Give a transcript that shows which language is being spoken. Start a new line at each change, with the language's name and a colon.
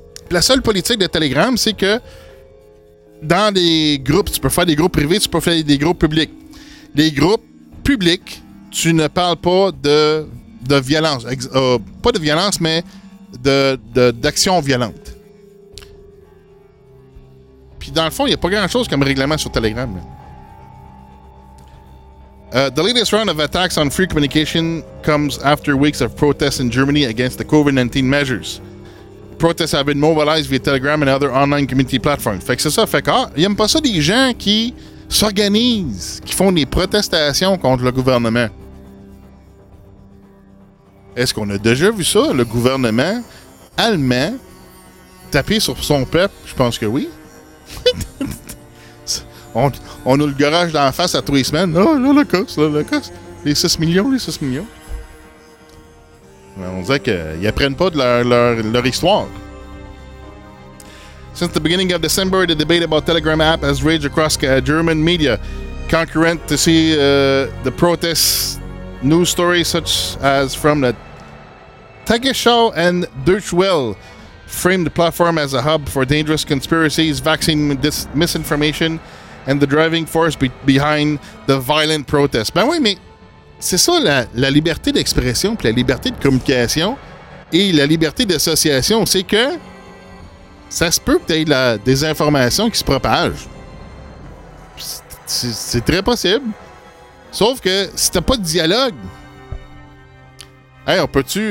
French: La seule politique de Telegram, c'est que dans des groupes, tu peux faire des groupes privés, tu peux faire des groupes publics. Les groupes publics, tu ne parles pas de violence. Pas de violence, mais d'action violente. Puis dans le fond, il n'y a pas grand-chose comme règlement sur Telegram.
English: The latest round of attacks on free communication comes after weeks of protests in Germany against the COVID-19 measures. Protests have been mobilized via Telegram and other online community platforms.
French: Fait que c'est ça. Fait que, ils n'aiment pas ça des gens qui s'organisent, qui font des protestations contre le gouvernement. Est-ce qu'on a déjà vu ça? Le gouvernement allemand taper sur son peuple? Je pense que oui. on a le garage d'en face à 3 semaines. Non, là, le cas. Les 6 millions. On dirait qu'ils apprennent pas de leur histoire.
English: Since the beginning of December, the debate about Telegram app has raged across German media. Concurrent to see the protests, news stories such as from the Tagesschau and Deutsche Welle framed the platform as a hub for dangerous conspiracies, vaccine misinformation, and the driving force behind the violent protests.
French: Ben oui, mais... C'est ça, la liberté d'expression, puis la liberté de communication et la liberté d'association. C'est que ça se peut que tu aies des informations qui se propagent. C'est très possible. Sauf que si t'as pas de dialogue. Hey, on peut-tu.